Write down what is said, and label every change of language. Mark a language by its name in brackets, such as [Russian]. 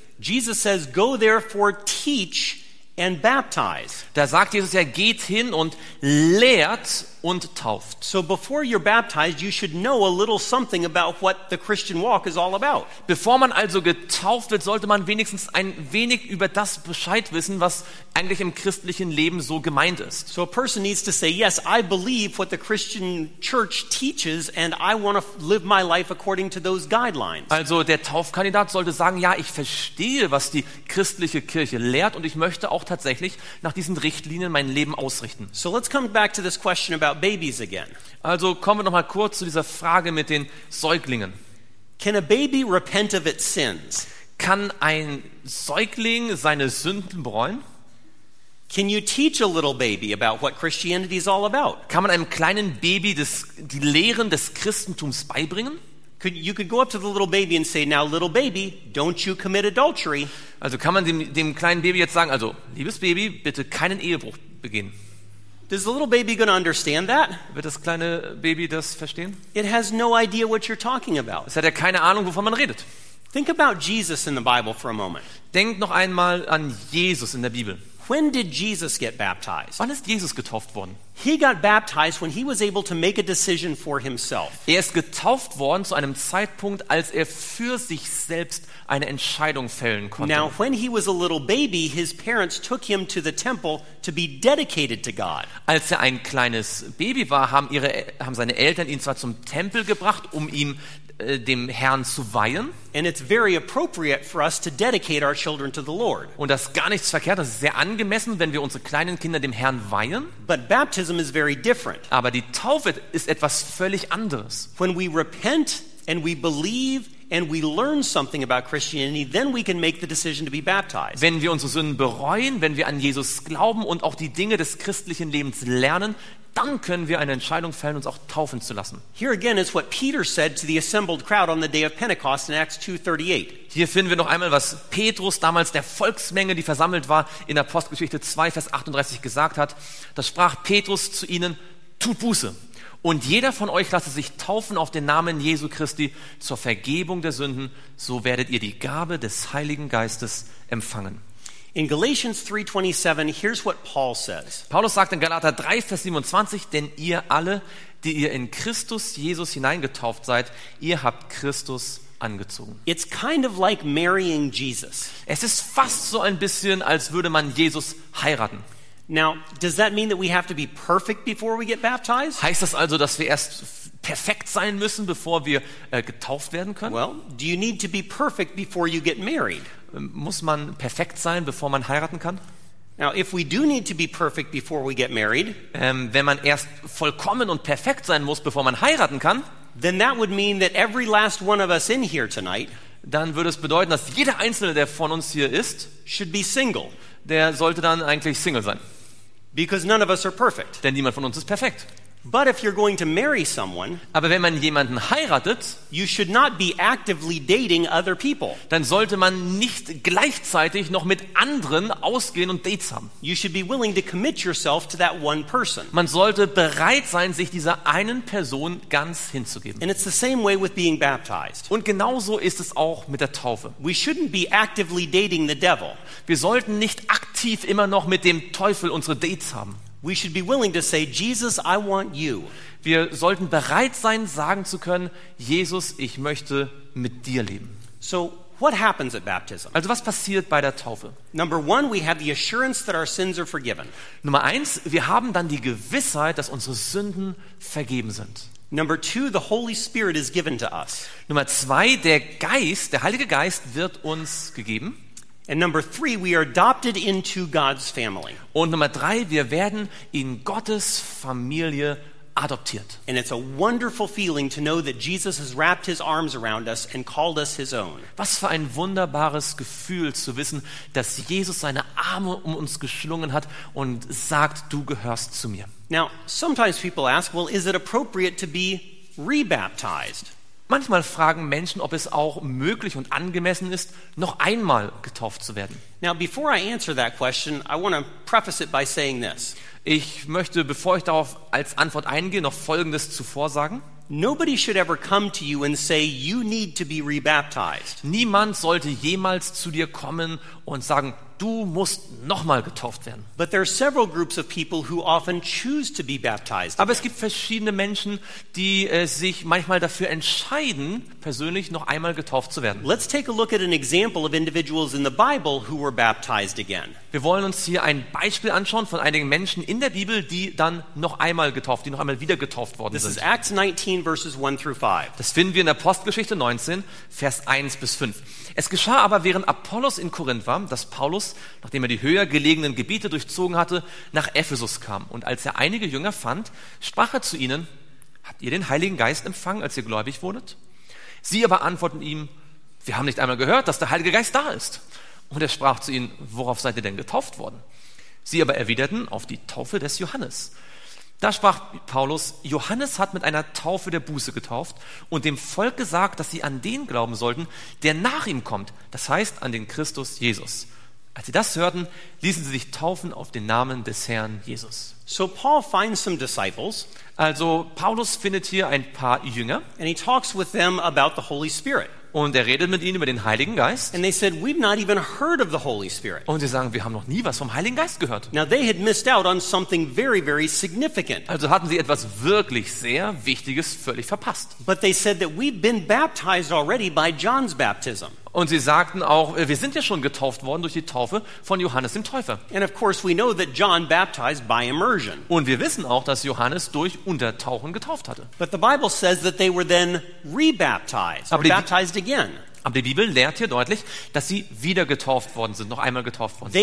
[English] Jesus says, go therefore teach and baptize. [German] Da sagt Jesus ja, geht hin und lehrt und tauft. [English] So before you're baptized, you should know a little something about what the Christian walk is all about. [German] Bevor man also getauft wird, sollte man wenigstens ein wenig über das Bescheid wissen, was eigentlich im christlichen Leben so gemeint ist. [English] So a person needs to say, yes, I believe what the Christian church teaches and I want to live my life according to those guidelines. [German] Also der Taufkandidat sollte sagen, ja, ich verstehe, was die christliche Kirche lehrt und ich möchte auch tatsächlich nach diesen Richtlinien mein Leben ausrichten. [English] So let's come back to this question about babies again. [German] Also kommen wir noch mal kurz zu dieser Frage mit den Säuglingen. [English] Can a baby repent of its sins? [German] Kann ein Säugling seine Sünden bereuen? [English] Can you teach a little baby about what Christianity is all about? [German] Kann man einem kleinen Baby die Lehren des Christentums beibringen? [English] You could go up to the little baby and say, "Now, little baby, don't you commit adultery?" [German] Also kann man dem kleinen Baby jetzt sagen, also liebes Baby, bitte keinen Ehebruch begehen. [English] Is the little baby going to understand that? [German] Wird das kleine Baby das verstehen? [English] It has no idea what you're talking about. [German] Es hat ja keine Ahnung, wovon man redet. [English] Think about Jesus in the Bible for a moment. [German] Denkt noch einmal an Jesus in der Bibel. [English] When did Jesus get baptized? [German] Wann ist Jesus getauft worden? [English] He got baptized when he was able to make a decision for himself. [German] Er ist getauft worden zu einem Zeitpunkt, als er für sich selbst eine Entscheidung fällen konnte. [English] Now, when he was a little baby, his parents took him to the temple to be dedicated to God. [German] Als er ein kleines Baby war, haben seine Eltern ihn zwar zum Tempel gebracht, um ihm dem Herrn zu weihen. [English] And it's very appropriate for us to dedicate our children to the Lord. [German] Und das ist gar nichts verkehrt, das ist sehr angemessen, wenn wir unsere kleinen Kinder dem Herrn weihen. [English] But baptism is very different. [German] Aber die Taufe ist etwas völlig anderes. [English] When we repent and we believe and we learn something about Christianity, then we can make the decision to be baptized. [German] Wenn wir unsere Sünden bereuen, wenn wir an Jesus glauben und auch die Dinge des christlichen Lebens lernen, dann können wir eine Entscheidung fällen, uns auch taufen zu lassen. [English] Here again is what Peter said to the assembled crowd on the day of Pentecost in Acts 2:38. [German] Hier finden wir noch einmal, was Petrus damals der Volksmenge, die versammelt war, in Apostelgeschichte 2, Vers 38 gesagt hat. Da sprach Petrus zu ihnen, tut Buße Und jeder von euch lasse sich taufen auf den Namen Jesu Christi zur Vergebung der Sünden, so werdet ihr die Gabe des Heiligen Geistes empfangen. [English] In Galatians 3:27, here's what Paul says. [German] Paulus sagt in Galater 3, Vers 27, denn ihr alle, die ihr in Christus Jesus hineingetauft seid, ihr habt Christus angezogen. [English] It's kind of like marrying Jesus. [German] Es ist fast so ein bisschen, als würde man Jesus heiraten. [English] Now, does that mean that we have to be perfect before we get baptized? [German] Heißt das also, dass wir erst perfekt sein müssen, bevor wir getauft werden können? [English] Well, do you need to be perfect before you get married? [German] Muss man perfekt sein, bevor man heiraten kann? [English] Now, if we do need to be perfect before we get married, [German] wenn man erst vollkommen und perfekt sein muss, bevor man heiraten kann, [English] then that would mean that every last one of us in here tonight, [German] dann würde es bedeuten, dass jeder einzelne, der von uns hier ist, [English] should be single. [German] Der sollte dann eigentlich Single sein. [English] Because none of us are perfect. [German] Denn niemand von uns ist perfekt. [English] But if you're going to marry someone, [German] aber wenn man jemanden heiratet, [English] you should not be actively dating other people. [German] Dann sollte man nicht gleichzeitig noch mit anderen ausgehen und Dates haben. [English] You should be willing to commit yourself to that one person. [German] Man sollte bereit sein, sich dieser einen Person ganz hinzugeben. [English] And it's the same way with being baptized. [German] Und genauso ist es auch mit der Taufe. [English] We shouldn't be actively dating the devil. [German] Wir sollten nicht aktiv immer noch mit dem Teufel unsere Dates haben. [English] We should be willing to say, Jesus, I want you. [German] Wir sollten bereit sein, sagen zu können, Jesus, ich möchte mit dir leben. [English] So, what happens at baptism? [German] Also, was passiert bei der Taufe? [English] Number one, we have the assurance that our sins are forgiven. [German] Nummer eins, wir haben dann die Gewissheit, dass unsere Sünden vergeben sind. [English] Number two, the Holy Spirit is given to us. [German] Nummer zwei, der Geist, der Heilige Geist, wird uns gegeben. [English] And number three, we are adopted into God's family. [German] Und Nummer drei, wir werden in Gottes Familie adoptiert. [English] And it's a wonderful feeling to know that Jesus has wrapped his arms around us and called us his own. [German] Was für ein wunderbares Gefühl zu wissen, dass Jesus seine Arme um uns geschlungen hat und sagt, du gehörst zu mir. [English] Now, sometimes people ask, well, is it appropriate to be rebaptized? [German] Manchmal fragen Menschen, ob es auch möglich und angemessen ist, noch einmal getauft zu werden. [English] Now, before I answer that question, I want to preface it by saying this. [German] Ich möchte, bevor ich darauf als Antwort eingehe, noch Folgendes zuvor sagen. [English] Nobody should ever come to you and say, you need to be rebaptized. [German] Niemand sollte jemals zu dir kommen und sagen, du musst nochmal getauft werden. [English] But there are several groups of people who often choose to be baptized. [German] Aber es gibt verschiedene Menschen, die sich manchmal dafür entscheiden, persönlich noch einmal getauft zu werden. [English] Let's take a look at an example of individuals in the Bible who were baptized again. [German] Wir wollen uns hier ein Beispiel anschauen von einigen Menschen in der Bibel, die dann noch einmal getauft, die noch einmal wieder getauft worden sind. [English] is Acts 19 verses 1 through 5. [German] Das finden wir in Apostelgeschichte 19, Vers 1 bis 5. Es geschah aber, während Apollos in Korinth war, dass Paulus, nachdem er die höher gelegenen Gebiete durchzogen hatte, nach Ephesus kam. Und als er einige Jünger fand, sprach er zu ihnen, habt ihr den Heiligen Geist empfangen, als ihr gläubig wurdet? Sie aber antworten ihm, wir haben nicht einmal gehört, dass der Heilige Geist da ist. Und er sprach zu ihnen, worauf seid ihr denn getauft worden? Sie aber erwiderten, auf die Taufe des Johannes. Da sprach Paulus, Johannes hat mit einer Taufe der Buße getauft und dem Volk gesagt, dass sie an den glauben sollten, der nach ihm kommt, das heißt an den Christus Jesus. Als sie das hörten, ließen sie sich taufen auf den Namen des Herrn Jesus. [English] So Paul finds some disciples. [German] Also Paulus findet hier ein paar Jünger. [English] And he talks with them about the Holy Spirit. [German] Und er redet mit ihnen über den Heiligen Geist. [English] And they said, we've not even heard of the Holy Spirit. [German] Und sie sagen, wir haben noch nie was vom Heiligen Geist gehört. [English] Now they had missed out on something very, very significant. [German] Also hatten sie etwas wirklich sehr Wichtiges völlig verpasst. [English] But they said that we've been baptized already by John's baptism. [German] Und sie sagten auch, wir sind ja schon getauft worden durch die Taufe von Johannes dem Täufer. [English] And of course we know that John baptized by immersion. [German] Und wir wissen auch, dass Johannes durch Untertauchen getauft hatte. [English] But the Bible says that they were then rebaptized, or baptized again. [German] Aber die Bibel lehrt hier deutlich, dass sie wieder getauft worden sind, noch einmal getauft worden sind.